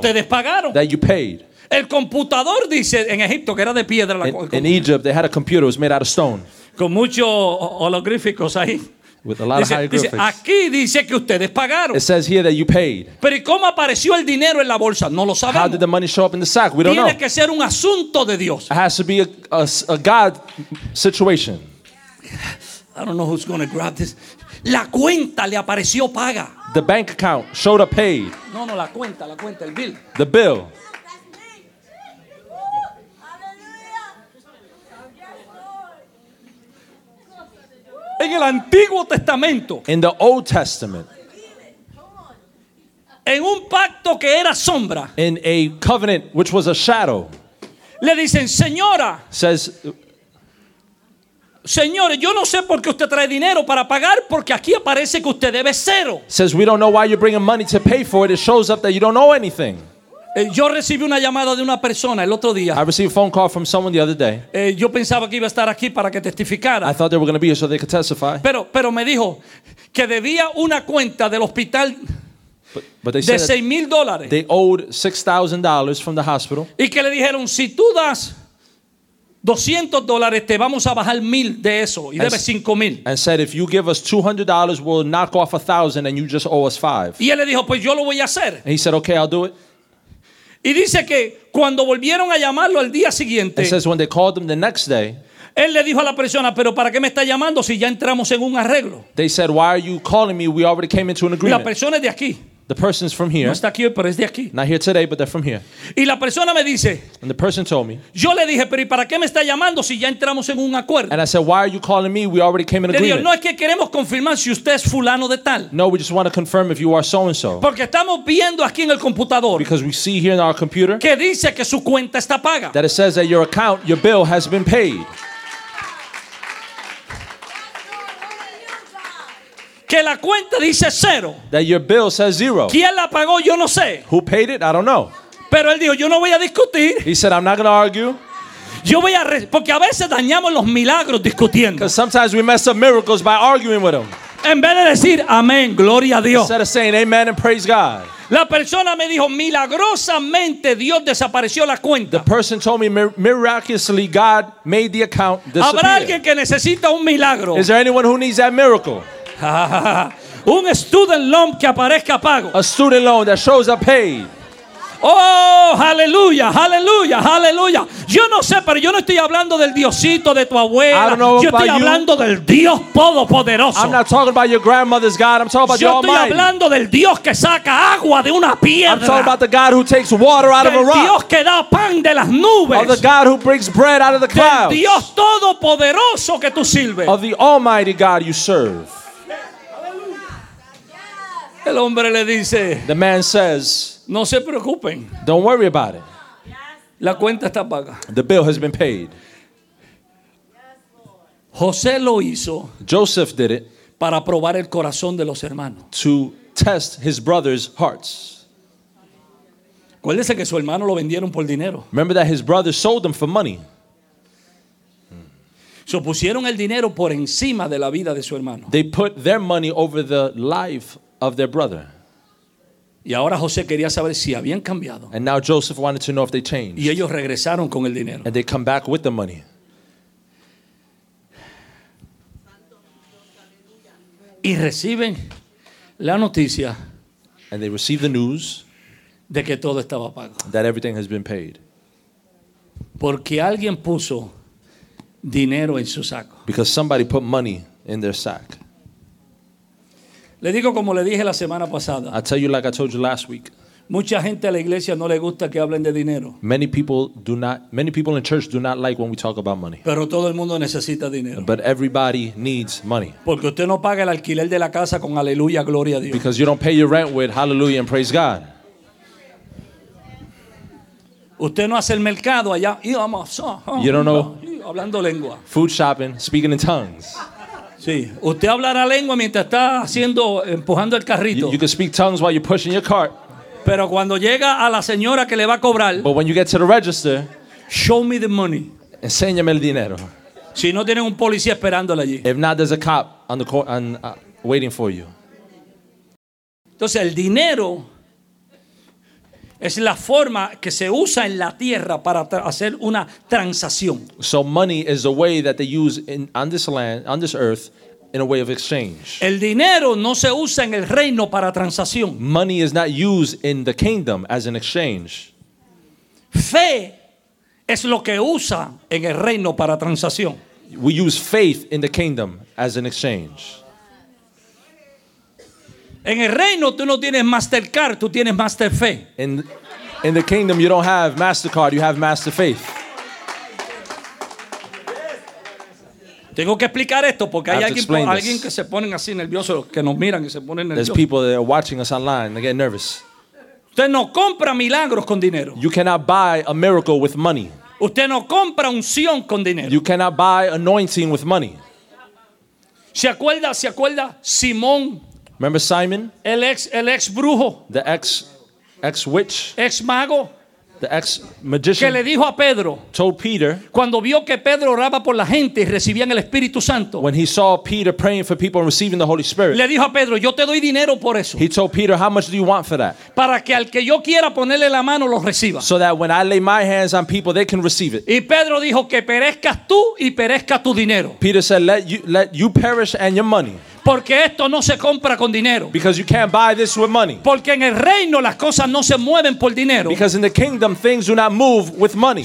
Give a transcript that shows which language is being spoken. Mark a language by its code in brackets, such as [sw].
[es] que ustedes pagaron. [en] That you paid. [es] El computador dice en Egipto que era de piedra. [en] In Egypt, they had a computer. It was made out of stone. [es] Con muchos holográficos ahí. [en] With a lot of hieroglyphics. [es] Dice, aquí dice que ustedes pagaron. [en] It says here that you paid. [es] Pero ¿y cómo apareció el dinero en la bolsa? No lo sabemos. [en] How did the money show up in the sack? We don't [es] Tiene [en] know. [es] Que ser un asunto de Dios. [en] It has to be a God situation. I don't know who's going to grab this. [es] La cuenta le apareció paga. [en] The bank account showed up paid. [es] No, la cuenta, el bill. [en] The bill. [es] En el Antiguo Testamento. [en] In the Old Testament. [es] En un pacto que era sombra. [en] In a covenant which was a shadow. [es] Le dicen, señora. [en] Says, [es] señores, yo no sé por qué usted trae dinero para pagar, porque aquí aparece que usted debe cero. [en] Says, we don't know why you're bringing money to pay for it. It shows up that you don't know anything. [es] Yo recibí una llamada de una persona el otro día. [en] I received a phone call from someone the other day. [es] Yo pensaba que iba a estar aquí para que testificara. [en] I thought they were going to be here so they could testify. [es] Pero me dijo que debía una cuenta del hospital [en] but [es] de $6,000. [en] They owed $6,000 from the hospital. [es] Y que le dijeron, si tú das $200, te vamos a bajar mil de eso. Y debes $5,000. [en] And said, if you give us $200, we'll knock off $1,000 and you just owe us $5,000. [es] Y él le dijo, pues yo lo voy a hacer. [en] And he said, okay, I'll do it. [es] Y dice que cuando volvieron a llamarlo al día siguiente, [en] it says when they called him the next day, [es] él le dijo a la persona, pero ¿para qué me está llamando si ya entramos en un arreglo? [en] They said, why are you calling me? We already came into an agreement. [es] La persona es de aquí. [en] The person is from here. [es] No está aquí, pero es de aquí. [en] Not here today, but they're from here. [es] Y la persona me dice, [en] and the person told me, [es] yo le dije, pero ¿y para qué me está llamando si ya entramos en un acuerdo? [en] And I said, why are you calling me? We already came into an agreement. [es] No es que queremos confirmar si usted es fulano de tal. [en] No, we just want to confirm if you are so and so. [es] Porque estamos viendo aquí en el computador, [en] because we see here in our computer, [es] que dice que su cuenta está paga. [en] That it says that your account, your bill has been paid. [es] que la cuenta dice cero. [en] That your bill says zero. [es] ¿Quién la pagó? Yo no sé. [en] Who paid it? I don't know. [es] Pero él dijo, yo no voy a discutir. [en] He said, I'm not going to argue. [es] Yo voy a porque a veces dañamos los milagros discutiendo. [en] Because sometimes we mess up miracles by arguing with them. [es] En vez de decir amén, gloria a Dios. [en] Instead of saying amen and praise God. [es] La persona me dijo milagrosamente Dios desapareció la cuenta. [en] The person told me miraculously God made the account disappear. [es] ¿Habrá alguien que necesita un milagro? [en] Is there anyone who needs that miracle? [es] Un student loan que aparezca pago. [en] A student loan that shows up paid. Oh, hallelujah, hallelujah, hallelujah. [es] Yo no sé, pero yo no estoy hablando del Diosito de tu abuela. [en] I don't know [es] yo estoy hablando [en] you. [es] Del Dios todopoderoso. [en] I'm not talking about your grandmother's God. I'm talking about [es] yo [en] the Almighty. [es] Yo estoy hablando del Dios que saca agua de una piedra. [en] I'm talking about the God who takes water out [es] del [en] of a rock. [es] Dios que da pan de las nubes. [en] Of the God who brings bread out of the clouds. [es] Del Dios todopoderoso que tú sirves. [en] Of the Almighty God you serve. [es] El hombre le dice, [en] the man says, [es] no se preocupen. [en] Don't worry about it. [es] La cuenta está paga. [en] The bill has been paid. [es] José lo hizo. [en] Joseph did it. [es] Para probar el corazón de los hermanos. [en] To test his brothers' hearts. [es] Acuérdese que su hermano lo vendieron por dinero. [en] Remember that his brothers sold them for money. [es] So pusieron el dinero por encima de la vida de su hermano. [en] They put their money over the life of their brother. [es] Y ahora José quería saber si habían cambiado. [en] And now Joseph wanted to know if they changed. [es] Y ellos regresaron con el dinero. [en] And they come back with the money. [es] Y reciben la noticia. [en] And they receive the news. [es] De que todo estaba pago. [en] That everything has been paid. [es] Porque alguien puso dinero en su saco. [en] Because somebody put money in their sack. [es] Le digo como le dije la semana pasada. [en] I tell you like I told you last week. [es] Mucha gente a la iglesia no le gusta que hablen de dinero. [en] Many people in church do not like when we talk about money. [es] Pero todo el mundo necesita dinero. [en] But everybody needs money. [es] Porque usted no paga el alquiler de la casa con aleluya, gloria a Dios. [en] Because you don't pay your rent with hallelujah and praise God. [es] Usted no hace el mercado allá. [en] You don't know. [es] Hablando lengua. [en] Food shopping, speaking in tongues. [es] Sí, usted hablará lengua mientras está haciendo empujando el carrito. [en] You can speak tongues while you're pushing your cart. [es] Pero cuando llega a la señora que le va a cobrar, [en] but when you get to the register, show me the money. [es] Enséñame el dinero. Si no tienen un policía esperándole allí. [en] If not, there's a cop on the court and waiting for you. [es] Entonces el dinero es la forma que se usa en la tierra para hacer una transacción. [en] So money is the way that they use in, on this land, on this earth, in a way of exchange. [es] El dinero no se usa en el reino para transacción. [en] Money is not used in the kingdom as an exchange. [es] Fe es lo que usa en el reino para transacción. [en] We use faith in the kingdom as an exchange. [es] En el reino tú no tienes Mastercard, tú tienes Masterfe. [en] In the kingdom you don't have Mastercard, you have Masterfaith. [es] Tengo que explicar esto porque hay alguien que se ponen así nervioso, que nos miran y se ponen nervioso. [en] There's people that are watching us online, they get nervous. [es] Usted no compra milagros con dinero. [en] You cannot buy a miracle with money. [es] Usted no compra unción con dinero. [en] You cannot buy anointing with money. [es] ¿Se acuerda Simón? [en] Remember Simon? [es] El ex brujo. [en] The ex witch. [es] Ex mago. [en] The ex magician. [es] Que le dijo a Pedro. [en] Told Peter. [es] Cuando vio que Pedro oraba por la gente y recibían el Espíritu Santo. [en] When he saw Peter praying for people and receiving the Holy Spirit. [es] Le dijo a Pedro, yo te doy dinero por eso. [en] He told Peter, how much do you want for that? [es] Para que al que yo quiera ponerle la mano lo reciba. [en] So that when I lay my hands on people, they can receive it. [es] Y Pedro dijo que perezcas tú y perezca tu dinero. [en] Peter said, let you perish and your money. [es] Porque esto no se compra con dinero. [en] Because you can't buy this with money. [es] Porque en el reino las cosas no se mueven por dinero. [en] Because in the kingdom things do not move with money.